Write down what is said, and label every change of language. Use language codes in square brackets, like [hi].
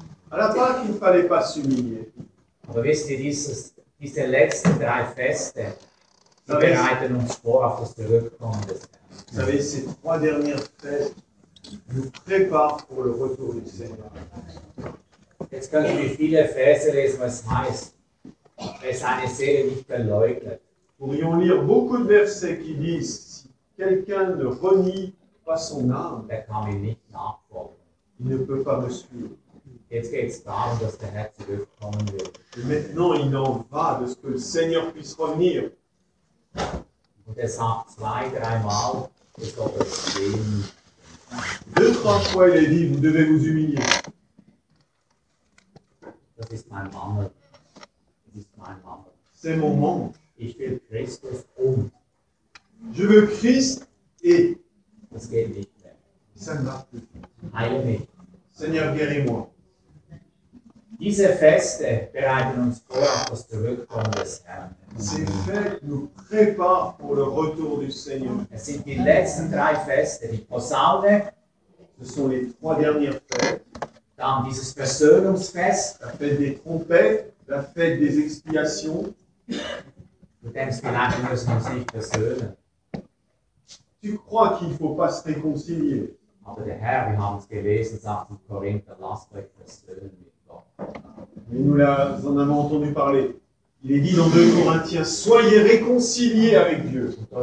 [fr] À la Pâque, il ne fallait pas s'humilier. [de] Aber wisst ihr, diese letzten drei Feste, die bereiten uns vor auf das Zurückkommen des Herrn. [fr] Vous savez, ces trois dernières fêtes nous préparent pour le retour du Seigneur. [de] Jetzt können wir viele Verse lesen, was heißt, wer seine Seele nicht verleugnet. [fr] Pourrions lire beaucoup de versets qui disent, si quelqu'un ne renie pas son âme, [de] der kann ihn nicht nachfolgen. [fr] Il ne peut pas me suivre. [de] Jetzt geht's darum, dass der Herr zurückkommen wird. [fr] Et maintenant, il en va de ce que le Seigneur puisse revenir. [de] Und er sagt zwei, dreimal, ich soll das sehen. [fr] Deux, trois fois, il est dit, vous devez vous humilier. [de] Das ist mein Mangel. Das ist mein Mangel. [fr] C'est mon manque. [de] Ich will Christus und. [fr] Je veux Christ et. [de] Das geht nicht mehr. Heile mich. [fr] Seigneur, guéris-moi. [de] Diese Feste bereiten uns vor auf das Zurückkommen des Herrn. [fr] Ces fêtes nous préparent pour le retour du Seigneur. [de] Es sind die letzten drei Feste, die Posaune. [fr] Ce sont les trois dernières fêtes. [de] Dann dieses Versöhnungsfest. [fr] La fête des trompettes, la fête des expiations. [de] Du denkst vielleicht, wir müssen uns nicht versöhnen. [fr] Tu crois qu'il ne faut pas se réconcilier. [de] Aber der Herr, wir haben es gelesen, sagt in Korinther, lasst euch versöhnen. [fr] Mais nous en avons entendu parler. Il est dit dans 2 Corinthiens, soyez réconciliés avec Dieu.